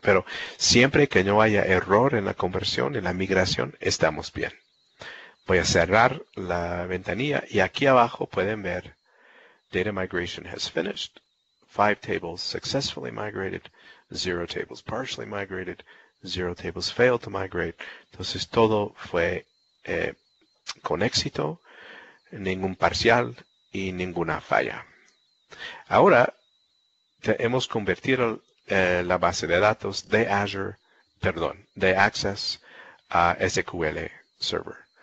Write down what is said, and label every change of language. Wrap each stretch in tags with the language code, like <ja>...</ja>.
<es>Pero siempre que no haya error en la conversión, en la migración, estamos bien. Voy a cerrar la ventanilla y aquí abajo pueden ver</es> <en>Data migration has finished. 5 tables successfully migrated. 0 tables partially migrated. 0 tables failed to migrate.</en> <es>Entonces todo fue con éxito, ningún parcial y ninguna falla. Ahora hemos convertido la base de datos de Azure, perdón, de Access a SQL Server.</es>